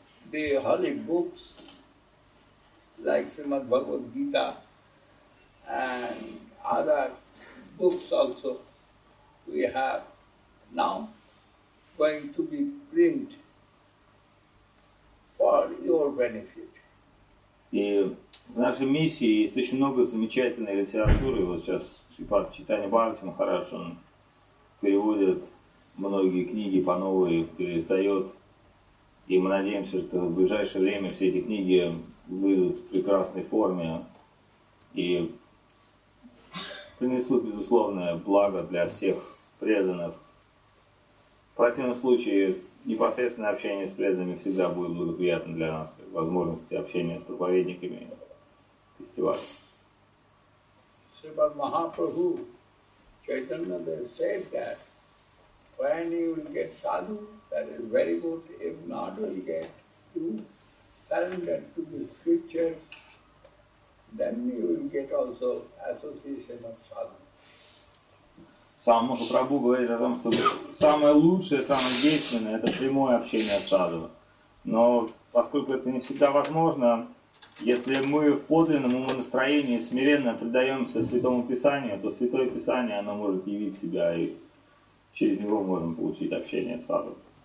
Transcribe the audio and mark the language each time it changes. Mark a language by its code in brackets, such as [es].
[en] The holy books like Srimad Bhagavad Gita and other books also we have now going to be printed for your benefit. [ru] И в нашей миссии есть очень много замечательной литературы. Вот сейчас Шипад Чайтанья Бхарати Махарадж, он переводит многие книги по новой, переиздает. И мы надеемся, что в ближайшее время все эти книги выйдут в прекрасной форме. И принесут безусловное благо для всех преданных. В противном случае непосредственное общение с преданными всегда будет благоприятно для нас. Возможности общения с проповедниками фестиваля. [en] Srimad Mahaprabhu Chaitanya said that when you will get sadhu, that is very good. If not, you will get surrender to the scripture, then you will get also association of sadhana. [ru] Сам Махапрабху говорит о том, что самое лучшее, самое действенное – это прямое общение с садху. Но поскольку это не всегда возможно, если мы в подлинном умонастроении смиренно предаемся Святому Писанию, то Святое Писание, оно может явить себя, и через него можем получить общение с садху.